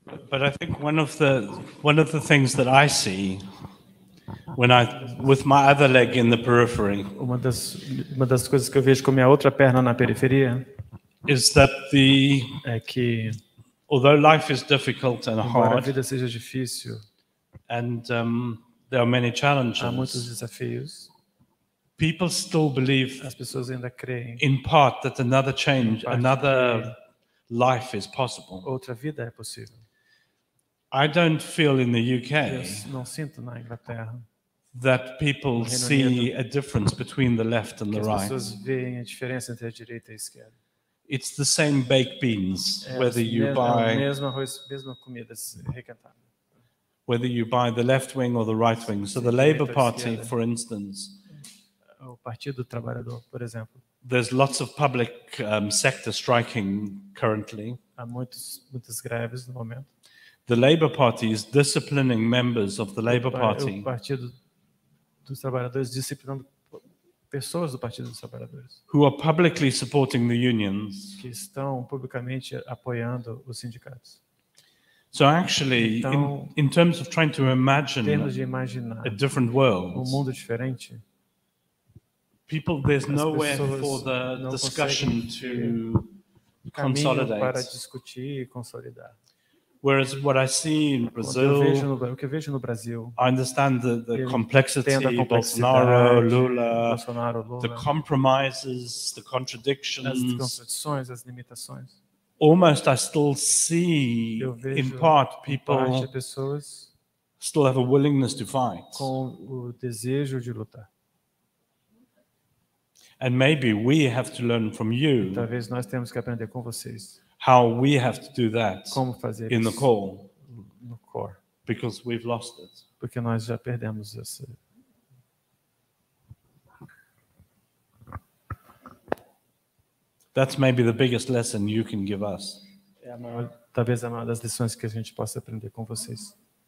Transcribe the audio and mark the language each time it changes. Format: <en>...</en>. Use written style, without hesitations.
<en>But I think one of the things that I see when I with my other leg in the periphery.</en> <pt>Uma das coisas que eu vejo com minha outra perna na periferia.</pt> <en>Is that the</en> <pt>é que,</pt> <en>although life is difficult and hard,</en> <pt>a vida seja difícil,</pt> <en>and there are many challenges,</en> <pt>há muitos desafios,</pt> <en>people still believe</en> <pt>as pessoas ainda creem,</pt> <en>in part that another change, another life is possible.</en> <pt>Outra vida é possível.</pt> <en>I don't feel in the UK</en> <pt>não sinto na Inglaterra,</pt> <en>that people see a difference between the left and the right.</en> <pt>As pessoas veem a diferença entre a direita e a esquerda.</pt> <en>It's the same baked beans, whether you buy the left wing or the right wing. So the Labour Party, for instance,</en> <pt>o Partido Trabalhador, por exemplo,</pt> <en>there's lots of public sector striking currently.</en> <pt>Há muitas greves no momento.</pt> <en>The Labour Party is disciplining members of the Labour Party.</en> <pt>O Partido dos Trabalhadores disciplinando pessoas do Partido dos Trabalhadores,</pt> <en>who are publicly supporting the unions,</en> <pt>que estão publicamente apoiando os sindicatos.</pt> <en>So actually,</en> <pt>então,</pt> <en>in terms of trying to imagine,</en> <pt>temos de imaginar</pt> <en>a different world,</en> <pt>um mundo diferente,</pt> <en>people, there's nowhere for the discussion to consolidate,</en> <pt>para discutir e consolidar.</pt> <en>Whereas what I see in Brazil,</en> <pt>o que eu vejo no Brasil,</pt> <en>I understand the complexity,</en> <pt>Bolsonaro, Lula,</pt> <en>the compromises, the contradictions,</en> <pt>as contradições, as limitações.</pt> <en>Almost I still see, in part, people</en> <pt>pessoas</pt> <en>still have a willingness to fight.</en> <pt>Com o desejo de lutar.</pt> <en>And maybe we have to learn from you.</en> <pt>E talvez nós temos que aprender com vocês.</pt> <en>How we have to do that</en> <pt>como fazer</pt> <en>in the call,</en> <pt>no core.</pt> <en>Because we've lost it.</en> <pt>Porque nós já perdemos esse.</pt> <en>That's maybe the biggest lesson you can give us.</en> <pt>É a maior, talvez a maior das lições que a gente possa aprender com vocês.</pt>